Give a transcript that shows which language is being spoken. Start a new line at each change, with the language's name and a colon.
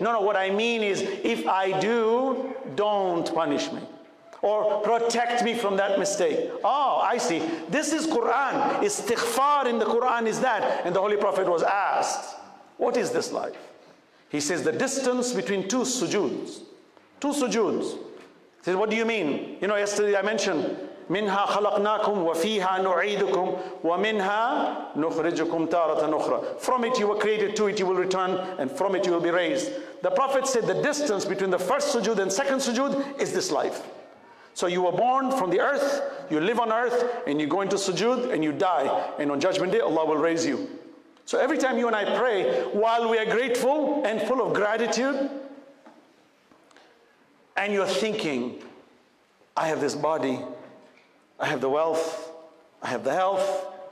English: No, what I mean is, if I do, don't punish me. Or protect me from that mistake. Oh, I see. This is Quran. Istighfar in the Quran is that. And the Holy Prophet was asked, what is this life? He says, the distance between 2 sujoods. 2 sujoods. He says, what do you mean? You know, yesterday I mentioned,
Arabic: مِنْهَا خَلَقْنَاكُمْ وَفِيهَا نُعِيدُكُمْ وَمِنْهَا نُخْرِجُكُمْ تَارَةً أُخْرَى.
English: From it you were created, to it you will return, and from it you will be raised. The Prophet said the distance between the first sujood and second sujood is this life. So you were born from the earth, you live on earth, and you go into sujood and you die. And on judgment day, Allah will raise you. So every time you and I pray, while we are grateful and full of gratitude, and you're thinking, I have this body, I have the wealth, I have the health.